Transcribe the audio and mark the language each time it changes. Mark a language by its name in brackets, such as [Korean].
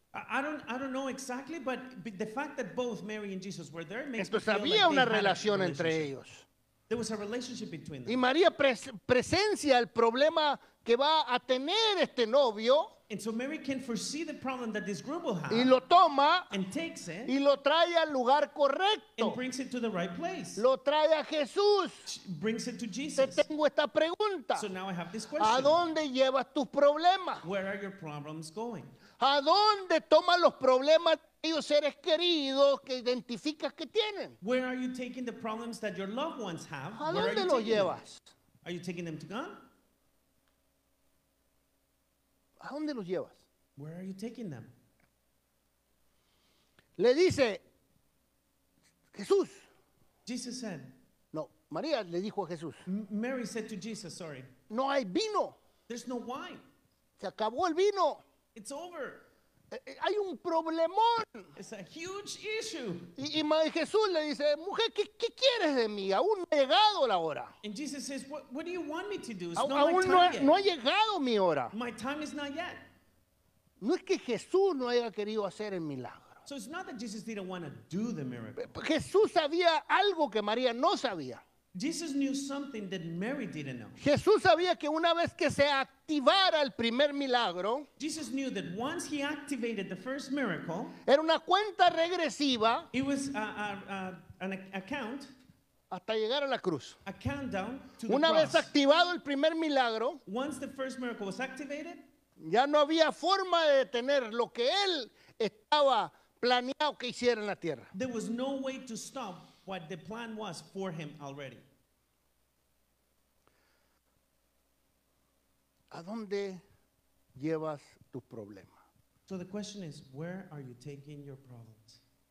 [English] I don't know exactly, but the fact that both Mary and Jesus were there makes [Spanish] entonces, [English] me feel [Spanish] había [English] like [Spanish] una [English] they [Spanish] relación [English] had a [Spanish] entre ellos. [English] There was a relationship between them. [Spanish] Y María presencia el problema que va a tener este novio. [English] And so Mary can foresee the problem that this group will have. [Spanish] Y lo toma. [English] And takes it. [Spanish] Y lo trae al lugar correcto. [English] And brings it to the right place. [Spanish] Lo trae a Jesús. [English] Brings it to Jesus. [Spanish] Te tengo esta pregunta. [English] So now I have this question. [Spanish] ¿A dónde llevas tus problemas? [English] Where are your problems going? [Spanish] ¿A dónde tomas los problemas y seres queridos que identificas que tienen? [English] Where are you taking the problems that your loved ones have? [Spanish] ¿A dónde los llevas? [English] Are you taking them to God? [Spanish] ¿A dónde los llevas? [English] Where are you taking them? [Spanish] Le dice Jesús. [English] Jesus said. [Spanish] No, María le dijo a Jesús. [English] Mary said to Jesus, sorry. [Spanish] No hay vino. [English] There's no wine. [Spanish] Se acabó el vino. [English] It's over. [Spanish] Hay un problemón. [English] It's a huge issue. [Spanish] Y Jesús le dice, mujer, ¿qué quieres de mí? Aún no ha llegado la hora. [English] And Jesus says, what do you want me to do? It's not my time yet. [Spanish] No ha llegado mi hora. [English] My time is not yet. [Spanish] No es que Jesús no haya querido hacer el milagro. [English] So it's not that Jesus didn't want to do the miracle. [Spanish] Jesús sabía algo que María no sabía. [English] Jesus knew something that Mary didn't know. [Spanish] Jesús sabía que una vez que se activara el primer milagro, [English] Jesus knew that once he activated the first miracle, [Spanish] era una cuenta regresiva, [English] it was an account, [Spanish] hasta llegar a la cruz. [English] A countdown to the cross. [Spanish] Una vez activado el primer milagro, [English] once the first miracle was activated, [Spanish] ya no había forma de detener lo que él estaba planeado que hiciera en la tierra. [English] There was no way to stop what the plan was for him already. [Spanish] ¿A dónde llevas tu problema? [English] So the question is, where are you taking your problems?